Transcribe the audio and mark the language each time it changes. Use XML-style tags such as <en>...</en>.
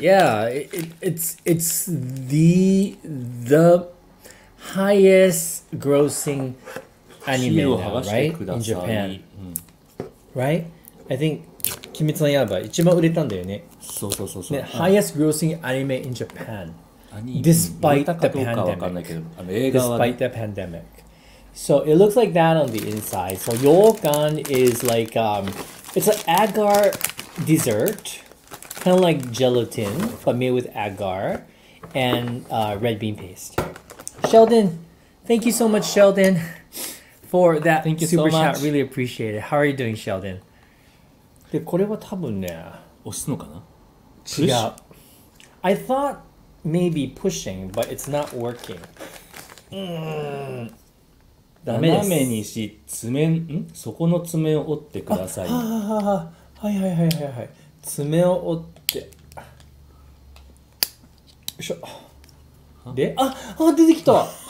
<en>Yeah, it's the highest grossing anime now, right? In Japan. Right? I think.</en> <ja>鬼滅の刃一番売れたんだよね。そうそうそうそう。</ja> <en>ね、highest grossing anime in Japan, despite the pandemic. Despite the pandemic. So it looks like that on the inside. So yōkan is like it's an agar dessert, kind of like gelatin, but made with agar and red bean paste. Sheldon, thank you so much, Sheldon, for that thank you super so much. Chat. Really appreciate it. How are you doing, Sheldon? で、これは多分ね、</en> <ja>押すのかな？違う。</ja> <en>I thought maybe pushing, but it's not working.</en> <ja>ダメです。斜めにし、爪、ん？そこの爪を折ってください。はいはいはいはいはい。爪を折って。よいしょ。で、出てきた。</ja>